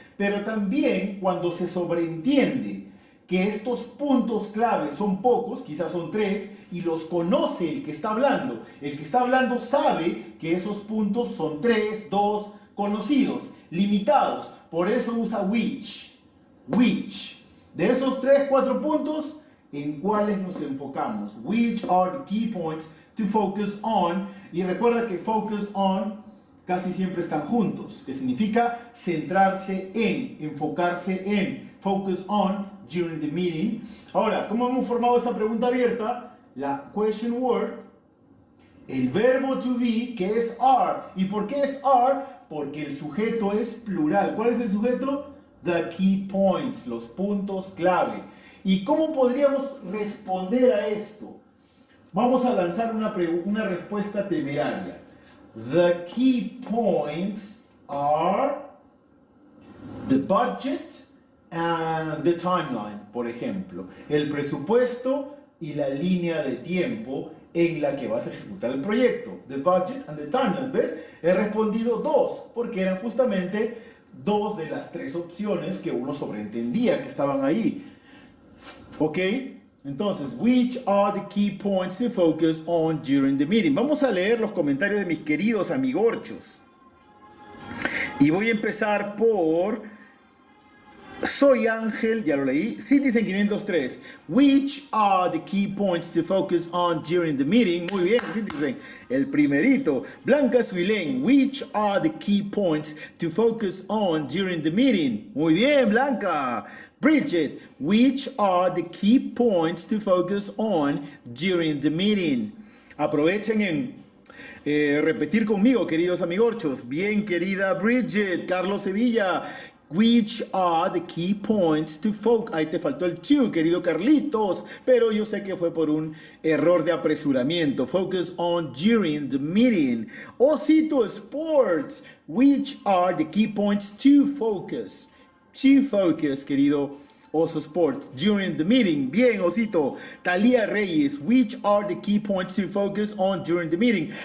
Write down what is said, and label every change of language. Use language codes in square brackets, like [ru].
[es] Pero también cuando se sobreentiende que estos puntos clave son pocos, quizás son tres, y los conoce el que está hablando. El que está hablando sabe que esos puntos son tres, dos, conocidos, limitados. Por eso usa which. Which. De esos tres, cuatro puntos, ¿en cuáles nos enfocamos? [en] Which are the key points to focus on? [es] Y recuerda que [en] focus on casi siempre están juntos, que significa centrarse en, enfocarse en, focus on during the meeting. [es] Ahora, ¿cómo hemos formado esta pregunta abierta? La question word, el verbo to be, que es are. ¿Y por qué es are? Porque el sujeto es plural. ¿Cuál es el sujeto? [en] The key points, [es] los puntos clave. ¿Y cómo podríamos responder a esto? Vamos a lanzar una respuesta temeraria. [en] The key points are the budget and the timeline, [es] por ejemplo. El presupuesto y la línea de tiempo en la que vas a ejecutar el proyecto. [en] The budget and the timeline. [es] ¿Ves? He respondido dos, porque eran justamente dos de las tres opciones que uno sobreentendía que estaban ahí. ¿Ok? [en] Entonces, which are the key points to focus on during the meeting? [es] Vamos a leer los comentarios de mis queridos amigorchos. Y voy a empezar por... Soy Ángel, ya lo leí. Citizen 503. [en] Which are the key points to focus on during the meeting? [es] Muy bien, Citizen. El primerito. [en] Blanca Suilén. Which are the key points to focus on during the meeting? [es] Muy bien, Blanca. [en] Bridget, which are the key points to focus on during the meeting? [es] Aprovechen en repetir conmigo, queridos amigorchos. Bien, querida Bridget. [en] Carlos Sevilla, which are the key points to focus? [es] Ahí te faltó el to, querido Carlitos. Pero yo sé que fue por un error de apresuramiento. [en] Focus on during the meeting. Osito Sports, which are the key points to focus? To focus, querido Oso Sport, during the meeting. Bien, Osito. Talía Reyes, which are the key points to focus on during the meeting?